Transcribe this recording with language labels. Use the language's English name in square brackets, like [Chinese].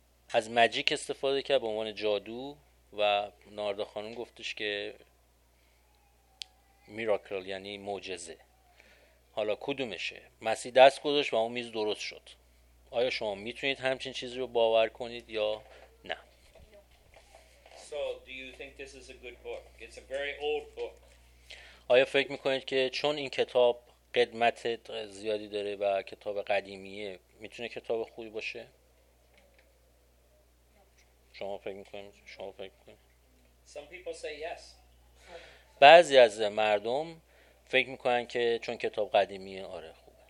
[Persian] از ماجیک استفاده کرد به عنوان جادو و ناردا خانم گفتش که میراکل یعنی معجزه حالا کدومشه مسیح دست گذاشت و اون میز درست شد آیا شما میتونید همچین چیزی رو باور کنید یا نه [English] So do you think this is a good book? It's a very old book. [Persian] آیا فکر میکنید که چون این کتاب قدمت زیادی داره و کتاب قدیمیه میتونه کتاب خوبی باشه؟ شما فکر میکنید؟ [English] Some people say yes. [Persian] بعضی از مردم فکر میکنن که چون کتاب قدیمیه آره خوبه.